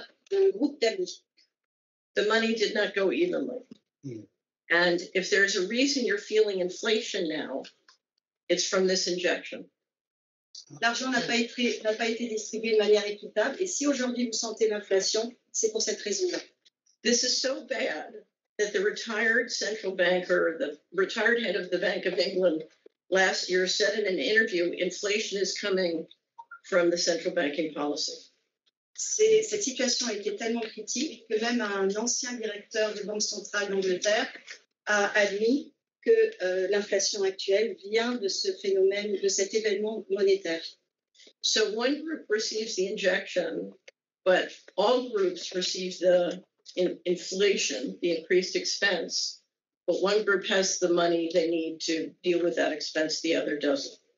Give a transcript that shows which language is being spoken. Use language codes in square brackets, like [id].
[en] The money did not go evenly. And if there's a reason you're feeling inflation now, it's from this injection. [fr] L'argent n'a pas été distribué de manière équitable. Et si aujourd'hui vous sentez l'inflation, c'est pour cette raison-là. [en] This is so bad that the retired central banker, the retired head of the Bank of England last year said in an interview, inflation is coming from the central banking policy. [fr] Cette situation était tellement critique que même un ancien directeur de Banque centrale d'Angleterre a admis que l'inflation actuelle vient de ce phénomène, de cet événement monétaire. [en] So one group receives the injection, but all groups receive the inflation, the increased expense, but one group has the money they need to deal with that expense, the other doesn't.